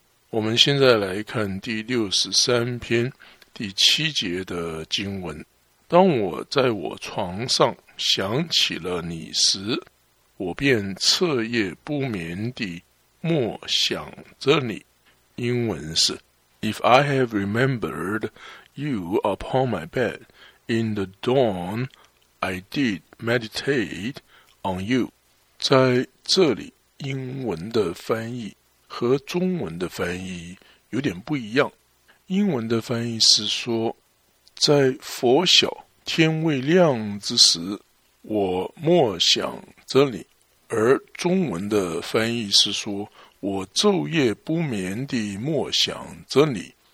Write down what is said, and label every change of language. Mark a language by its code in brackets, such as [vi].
[zh] 我们现在来看第六十三篇第七节的经文。当我在我床上想起了你时，我便彻夜不眠地默想着你。英文是 [en] If I have remembered you upon my bed in the dawn, I did meditate on you。 [zh] 在这里，英文的翻译和中文的翻译有点不一样。英文的翻译是说，在拂晓天未亮之时，我默想着你；而中文的翻译是说，我昼夜不眠地默想着你。